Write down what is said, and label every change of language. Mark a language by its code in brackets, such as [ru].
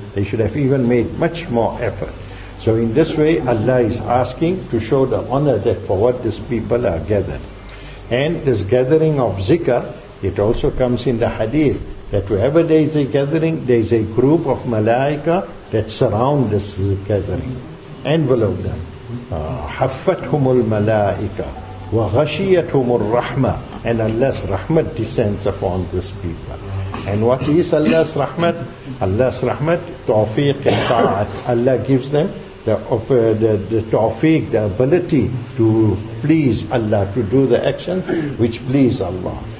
[en] They should have even made much more effort. So in this way, Allah is asking to show the honor that for what these people are gathered. And this gathering of zikr, it also comes in the hadith, that wherever there is a gathering, there is a group of malaika that surround this gathering. And below them, [ar] حَفَّتْهُمُ الْمَلَائِكَةِ وَغَشِيَتْهُمُ الرَّحْمَةِ. [en] And Allah's rahmat descends upon these people. And what is Allah's rahmat? Allah's rahmat, tawfiq and ta'at. Allah gives them the tawfiq, the ability to please Allah, to do the action which please Allah.